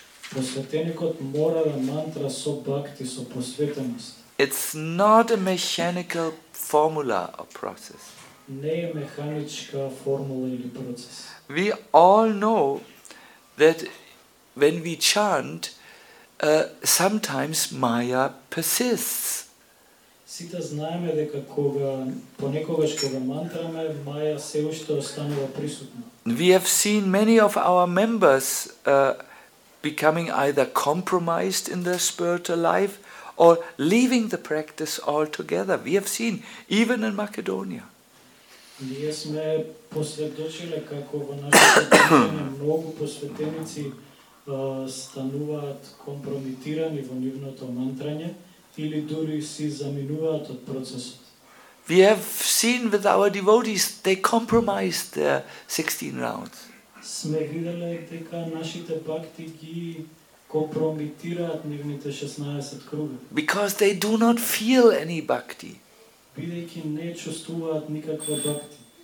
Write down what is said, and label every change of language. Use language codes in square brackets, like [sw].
[en] It's not a mechanical formula or process. We all know that when we chant, sometimes Maya persists. [mk] Сите знаеме дека кога понекогаш кога мантраме, Маја се уште останува присутна. [en] We have seen many of our members becoming either compromised in their spiritual life or leaving the practice altogether. We have seen even in Macedonia. [mk] Ние сме посведочиле како во нашите многу посветеници стануваат компромитирани во нивното мантрање или дури си заминуваат од процесот. [en] We have seen with our devotees they compromised their 16 rounds. [mk] Сме виделе дека нашите бхакти ги компромитираат нивните 16 круга. [en] Because they do not feel any bhakti. [mk] Бидејќи не чувствуваат никаква бхакти.